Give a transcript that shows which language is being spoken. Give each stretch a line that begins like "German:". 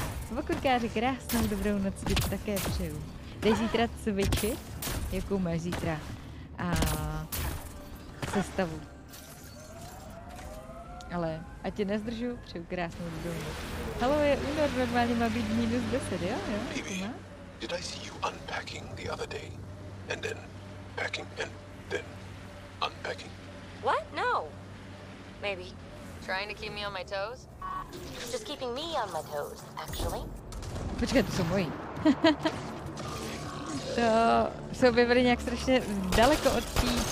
Czech: Vokurkáři, krásnou dobrou noc, ti také přeju. Jdeš zítra cvičit? Jakou máš zítra? A sestavu. Ale ať tě nezdržu, přeju krásnou dobrou noc. Halo, je únor, normálně má být minus 10, jo? Jo?
English: Baby, did I see you unpacking the other day? And then packing and then unpacking. What? No. Maybe. Trying to keep me on my toes? Just keeping me on my toes, actually.
Czech: Počkej, to jsou moji. To se objevili nějak strašně daleko od tý...